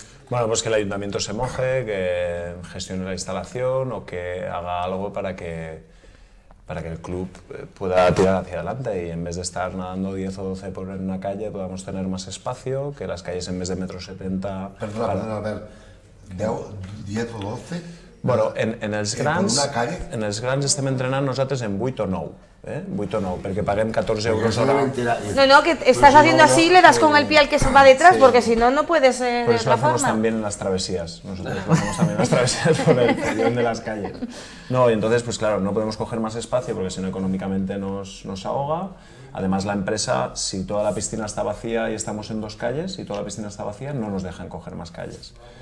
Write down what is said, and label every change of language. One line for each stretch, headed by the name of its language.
Spanish: Bueno, pues que el ayuntamiento se moje, que gestione la instalación o que haga algo para que el club pueda tirar hacia adelante y en vez de estar nadando 10 o 12 por una calle podamos tener más espacio, que las calles en vez de 1,70 m... Perdona, a ver, ¿10 o 12?
Catalan: Bueno, en els grans estem entrenant nosaltres en 8 o 9. 8 o 9, perquè paguem 14 euros hora.
Spanish: No, que estàs pues haciendo no, así, le das con el pie al que se va detrás, sí. Porque si no, no puedes... Por eso lo hacemos también en las travesías. Nosotros lo hacemos también en las travesías por el camión de las calles. No, y entonces, pues claro, no podemos coger más espacio porque si no, económicamente nos ahoga. Además, la empresa, si toda la piscina está vacía y estamos en dos calles, y toda la piscina está vacía, no nos dejan coger más calles.